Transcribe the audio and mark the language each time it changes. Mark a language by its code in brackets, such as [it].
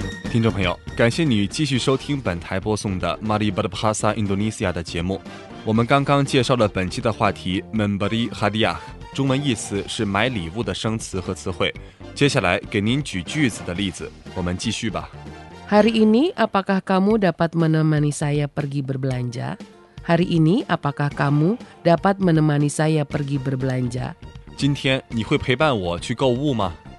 [zh] 听众朋友，感谢你继续收听本台播送的 Mari Berbahasa Indonesia 的节目。我们刚�ang介绍了本期的话题 [id] Memberi Hadiah， [zh] 中文意思是买礼物的生词和词汇。接下来给您举句子的例子，我们继续吧。 [id] Hari ini apakah kamu dapat menemani saya pergi berbelanja? Hari ini apakah kamu dapat menemani saya pergi berbelanja? [zh] 今天你会陪伴我去购物吗？